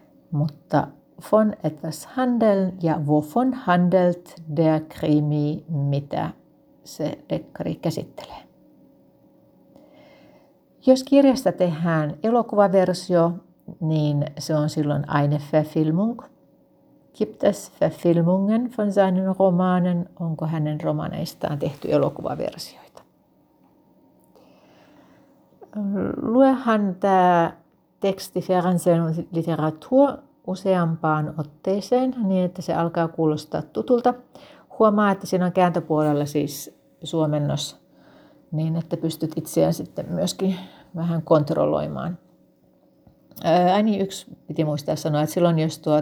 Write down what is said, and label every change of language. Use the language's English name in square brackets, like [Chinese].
[Finnish] Mutta [German] von etwas handeln [Finnish] ja [German] wovon handelt der Krimi, [Finnish] mitä se dekkari käsittelee. Jos kirjasta tehdään elokuvaversio, niin se on silloin eine Verfilmung. [German] Gibt es Verfilmungen von seinen Romanen? [Finnish] Onko hänen romaneistaan tehty elokuvaversioita? Luehan tämä teksti Fernsehen Literatur useampaan otteeseen, niin että se alkaa kuulostaa tutulta. Huomaa, että siinä on kääntöpuolella siis suomennos, niin että pystyt itseään sitten myöskin vähän kontrolloimaan. Yksi piti muistaa sanoa, että silloin jos